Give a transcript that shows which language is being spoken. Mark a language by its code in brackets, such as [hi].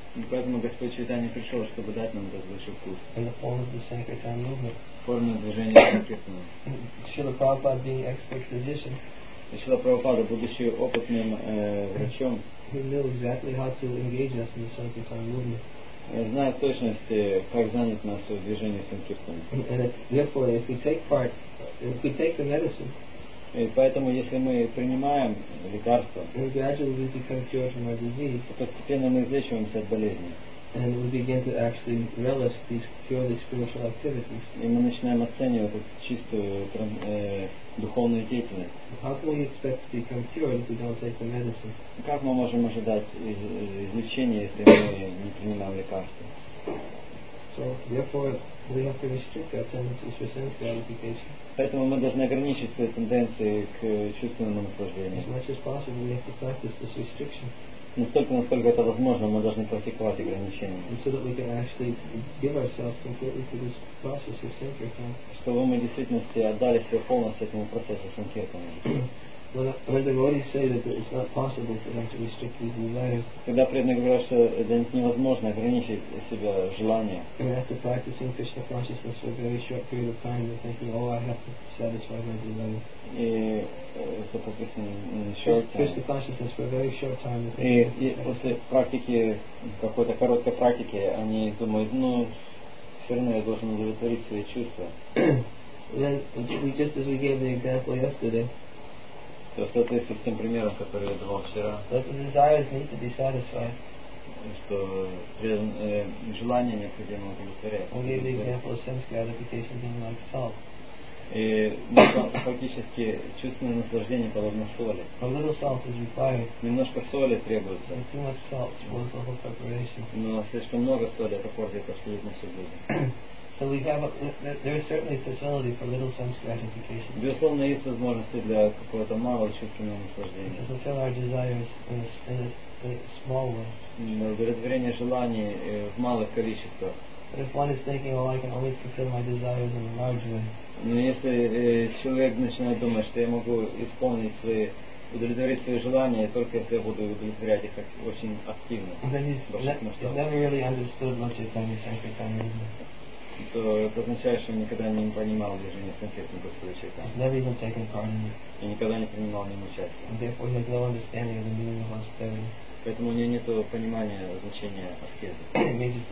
[ru] Поэтому Господь Чайтанья пришел, чтобы дать нам этот высший вкус. В форме движения Санкиртана. [en] Шрила Прабхупада, being expert physician, [ru] Шрила Прабхупада, будучи опытным врачом, [en] he knew exactly how to engage us in the Sankirtana movement. [ru] Знает в точности, как занять нас в движении Санкиртана. [en] Therefore, if we take the medicine, [ru] и поэтому, если мы принимаем лекарства, постепенно мы излечиваемся от болезни. [en] And we begin to actually relish these purely spiritual activities. [ru] И мы начинаем оценивать эту чистую духовную деятельность. [en] How can we expect to become cured if we don't take the medicine? [ru] Как мы можем ожидать излечения, если мы не принимаем лекарства? [en] So, therefore, we have to restrict our tendencies for sense gratification. [ru] Поэтому мы должны ограничить свои тенденции к чувственному наслаждению. [en] As much as possible, we have to practice this restriction. [ru] Насколько это возможно, мы должны практиковать ограничения. [en] And so that we can actually give ourselves completely to this process of sankirtan. [ru] Чтобы мы в действительности отдали себя полностью этому процессу санкиртана. [en] When the devotees say that it's not possible for them to restrict these desires, [ru] когда преданные говорят, что это невозможно ограничить себя желания, [en] and after practicing Krishna consciousness for a very short period of time, they're thinking, "Oh, I have to satisfy my desires." [ru] И это [en] Krishna consciousness for a very short time. [ru] И после практики какой-то короткой практики они думают, ну все равно я должен удовлетворить свои чувства. [en] Then just as we gave the example yesterday. [ru] То соответствует тем примером, который я давал вчера. [en] That the desires need to be satisfied. [ru] Что желание необходимо удовлетворять. [en] We gave the example of sense gratification being like salt. [ru] И фактически чувственное наслаждение подобно соли. [en] A little salt is required. [ru] Немножко соли требуется. [en] And too much salt spoils the whole preparation. [ru] Но слишком много соли — это портит абсолютно всю жизнь. [en] So we have there is certainly facility for little sense gratification. [ru] Безусловно, есть возможности для какого-то малого чувственного наслаждения. [en] To fulfill our desires in a small way. [ru] Удовлетворение желаний в малых количествах. [en] But if one is thinking, oh, I can always fulfill my desires in a large way. [ru] Но если человек начинает думать, что я могу исполнить свои удовлетворить свои желания, только если я буду удовлетворять их очень активно. [en] Then he's never really understood much of Chaitanya Sankirtana. [ru] то это означает, что он никогда не понимал движение конкретного Господа Чайтаньи. И никогда не принимал в нем участие. Поэтому у него нет понимания значения аскезы.